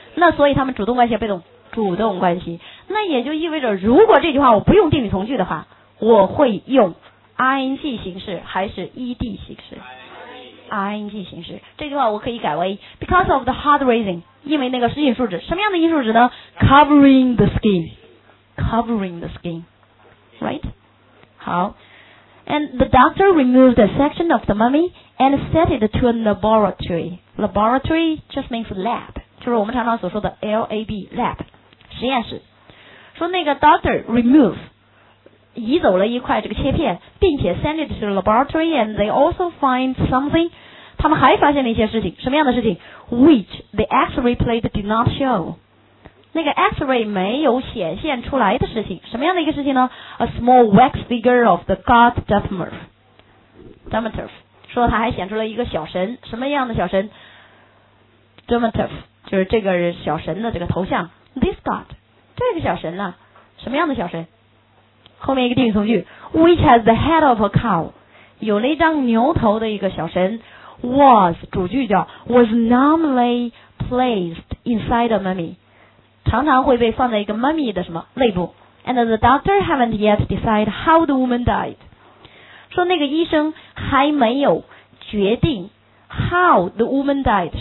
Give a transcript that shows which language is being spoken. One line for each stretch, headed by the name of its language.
Chinese: 那所以他们主动关系被动，主动关系，那也就意味着如果这句话我不用定语从句的话，我会用 ing 形式还是 ed 形式？ ing 形式。这句话我可以改为
English: because of the hard raising，
Chinese: 因为那个是硬树脂，什么样的硬树脂呢？
English: covering the skin， covering the skin， right。好， and the doctor removed a section of the mummyAnd set it to a laboratory. Laboratory just means lab.
Chinese: 就是我们常常所说的 LAB, lab, 实验室。说那个
English: doctor remove,
Chinese: 移走了一块这个切片，并且
English: send it to a laboratory and they also find something.
Chinese: 他们还发现了一些事情，什么样的事情？
English: Which the x-ray plate did not show.
Chinese: 那个 x-ray 没有显现出来的事情，什么样的一个事情呢？
English: A small wax figure of the god Dartmouth. Dartmouth.
Chinese: 说他还显出了一个小神，什么样的小神？Dartmouth 就是这个小神的这个头像。 This god 这个小神呢、啊、什么样的小神？后面一个定语从句
English: which has the head of a cow，
Chinese: 有了一张牛头的一个小神。 was 主句叫
English: was normally placed inside a mummy，
Chinese: 常常会被放在一个 mummy 的什么内部。
English: And the doctor haven't yet decided how the woman died.
Chinese: 说那个医生还没有决定
English: how the woman died.